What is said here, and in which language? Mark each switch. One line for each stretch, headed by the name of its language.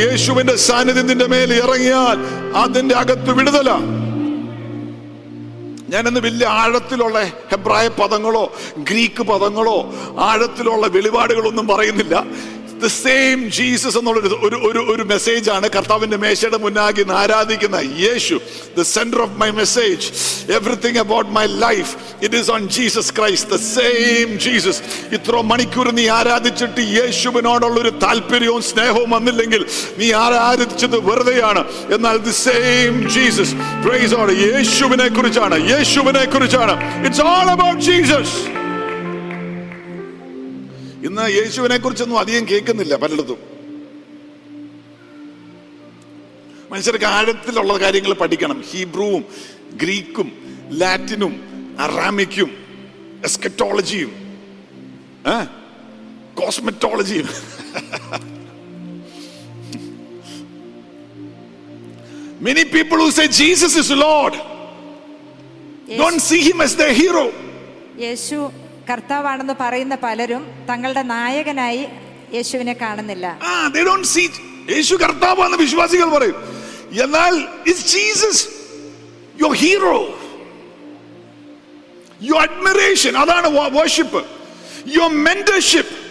Malayalam: യേശുവിന്റെ സാന്നിധ്യം നിന്റെ മേൽ ഇറങ്ങിയാൽ അതിന്റെ അകത്ത് വിടുതലാ. ഞാനിന്ന് വലിയ ആഴത്തിലുള്ള ഹെബ്രായ പദങ്ങളോ ഗ്രീക്ക് പദങ്ങളോ ആഴത്തിലുള്ള വെളിപാടുകളൊന്നും പറയുന്നില്ല.
English: The same Jesus
Malayalam: എന്നുള്ളൊരു ഒരു ഒരു ഒരു മെസ്സേജ് ആണ് കർത്താവിന്റെ മേശയുടെ മുന്നാകെ ആരാധിക്കുന്ന യേശു.
English: The center of my message, everything about my life, it is on Jesus Christ. The same Jesus.
Malayalam: ഇത്ര മണിക്കൂർ നീ ആരാധിച്ചിട്ട് യേശുവിനോടുള്ള ഒരു താല്പര്യവും സ്നേഹവും വന്നില്ലെങ്കിൽ നീ ആരാധിച്ചത് വെറുതെയാണ്. എന്നാൽ
English: the same Jesus. Praise God.
Malayalam: യേശുവിനെ കുറിച്ചാണ്, യേശുവിനെ കുറിച്ചാണ്.
English: It's all about Jesus.
Malayalam: ഇന്ന് യേശുവിനെ കുറിച്ചൊന്നും അധികം കേൾക്കുന്നില്ല പലയിടത്തും. മനുഷ്യർക്ക് ആഴത്തിലുള്ള കാര്യങ്ങൾ പഠിക്കണം. ഹീബ്രുവും ഗ്രീക്കും ലാറ്റിനും അറാമിക്കും എസ്കറ്റോളജിയും കോസ്മെറ്റോളജിയും.
English: Many people who say Jesus is Lord, yes, don't see him as their hero.
Malayalam: യേശു കർത്താവാണെന്ന് പറയുന്ന പലരും തങ്ങളുടെ നായകനായി യേശുവിനെ കാണുന്നില്ല.
English: They don't see
Malayalam: യേശു കർത്താവാണെന്ന് വിശ്വാസികൾ പറയും.
English: എന്നാൽ is Jesus your hero? Your admiration, അതാണ് worship. Your mentorship,